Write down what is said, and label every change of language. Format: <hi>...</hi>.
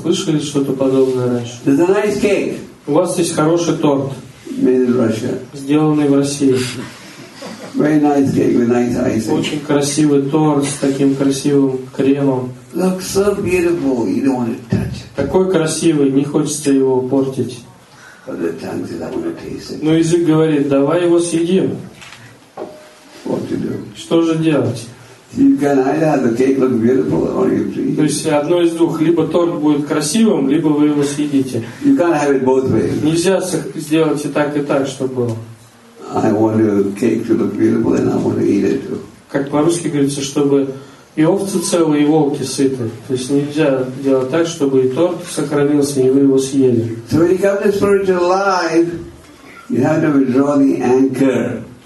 <ru>Слышали что-то подобное раньше?</ru> <en>There's a nice cake.</en> <ru>У вас есть хороший торт.</ru> <en>Made in Russia.</en> <ru>Сделанный в России.</ru> <en>Very nice cake with nice icing.</en> <ru>Очень красивый торт с таким красивым кремом.</ru> <en>Looks so beautiful, you don't want to touch.</en> <ru>Такой красивый, не хочется его портить. Но язык говорит: давай его съедим. Что же делать? То есть одно из двух: либо торт будет красивым, либо вы его съедите.</ru> <en>You can't have it both ways.</en> <ru>Нельзя сделать и так, чтобы было.</ru> <en>I want to cake to look beautiful and I want to eat it too.</en> <ru>Как по-русски говорится, чтобы и овцы целы, и волки сыты. То есть нельзя делать так, чтобы и торт сохранился, и вы его съели.</ru> <en>So when you come to spiritual life, you have to withdraw the anchor.</en>